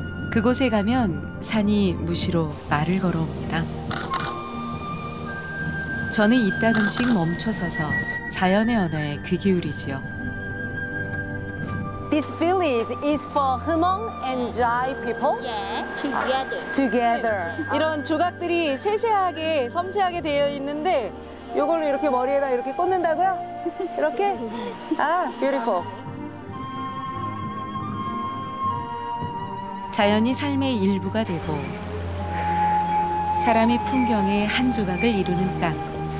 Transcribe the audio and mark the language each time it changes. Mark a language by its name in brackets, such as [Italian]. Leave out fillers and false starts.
[Korean] 그곳에 가면 산이 무시로 말을 걸어옵니다. 저는 이따금씩 멈춰서서 자연의 언어에 귀 기울이지요. [English] This village is for Hmong and Jai people. Yeah, together. Together. [Korean] 이런 조각들이 세세하게 섬세하게 되어 있는데 이걸로 이렇게 머리에다 이렇게 꽂는다고요? 이렇게? 아, beautiful. 자연이 삶의 일부가 되고 사람이 풍경의 한 조각을 이루는 땅.